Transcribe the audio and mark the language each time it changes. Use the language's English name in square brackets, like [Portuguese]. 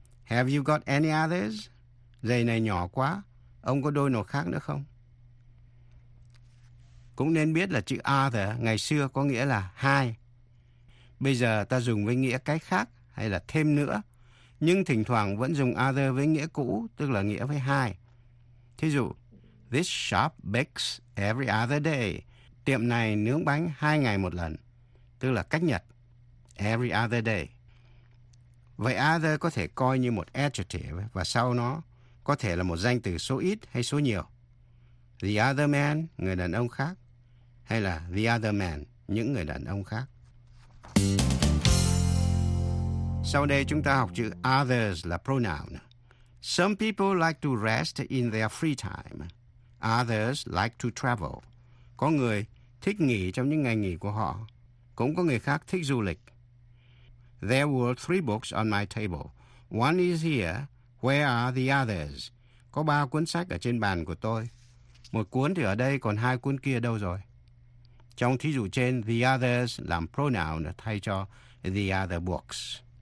[English] Have you got any others? [Vietnamese] Giày này nhỏ quá. Ông có đôi nào khác nữa không? Cũng nên biết là chữ other ngày xưa có nghĩa là hai. Bây giờ ta dùng với nghĩa cái khác hay là thêm nữa. Nhưng thỉnh thoảng vẫn dùng other với nghĩa cũ, tức là nghĩa với hai. Thí dụ, [English] this shop bakes every other day. [Vietnamese] Tiệm này nướng bánh 2 ngày một lần, tức là cách nhật. [English] Every other day. [Vietnamese] Vậy other có thể coi như một adjective và sau nó có thể là một danh từ số ít hay số nhiều. [English] The other man, [Vietnamese] người đàn ông khác. Hay là [English] the other man, [Vietnamese] những người đàn ông khác. Sau đây chúng ta học chữ others là pronoun. [English] Some people like to rest in their free time. Others like to travel. [Vietnamese] Có người thích nghỉ trong những ngày nghỉ của họ. Cũng có người khác thích du lịch. [English] There were 3 books on my table. One is here. Where are the others? [Vietnamese] Có 3 cuốn sách ở trên bàn của tôi. Một cuốn thì ở đây, còn 2 cuốn kia đâu rồi? Trong thí dụ trên, the others làm pronoun thay cho the other books.